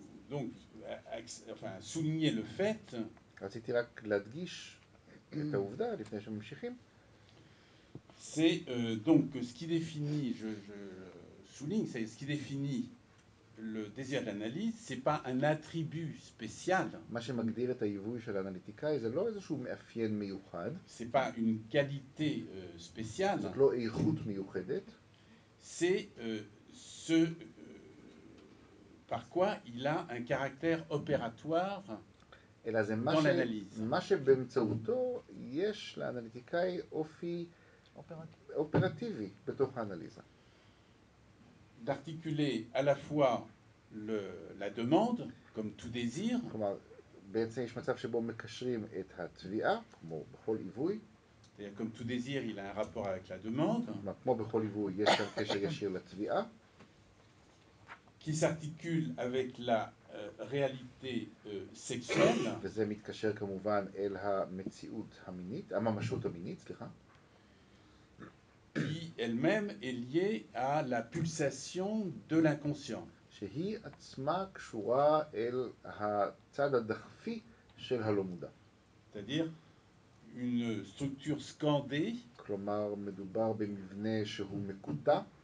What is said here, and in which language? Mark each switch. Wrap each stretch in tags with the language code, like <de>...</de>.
<fr>donc enfin souligner le fait.</fr> <he>רציתי רק להדגיש את העובדה לפני שממשיכים.</he> <fr>C'est donc ce qui définit, je souligne, c'est ce qui définit le désir d'analyse, c'est pas un attribut spécial.</fr> <he>מה שמגדיר את העיווי של האנליטיקאי זה לא איזשהו מאפיין מיוחד.</he> <fr>C'est pas une qualité spéciale.</fr> <he>זאת לא איכות מיוחדת.</he> <fr>C'est ce par quoi il a un caractère opératoire.</fr> <he>אלא זה מה, מה שבאמצעותו יש לאנליטיקאי אופי אופרטיבי בתוך האנליזה.</he> <fr>D'articuler à la fois la demande, comme tout désir.</fr> <he>כלומר, בעצם יש מצב שבו מקשרים את התביעה, כמו בכל עיווי.</he> <fr>C'est-à-dire, comme tout désir, il a un rapport avec la demande.</fr> <he>כלומר, כמו בכל עיווי, יש כאן קשר ישיר לתביעה.</he> <fr>Qui s'articule avec la réalité sexuelle.</fr> <he>וזה מתקשר כמובן אל המציאות המינית, הממשות המינית, סליחה.</he> <fr>Qui elle-même est liée à la pulsation de l'inconscient.</fr> <he>שהיא עצמה קשורה אל הצד הדחפי של הלא מודע.</he> <fr>C'est-à-dire une structure scandée.</fr> <he>כלומר, מדובר במבנה שהוא מקוטע.</he>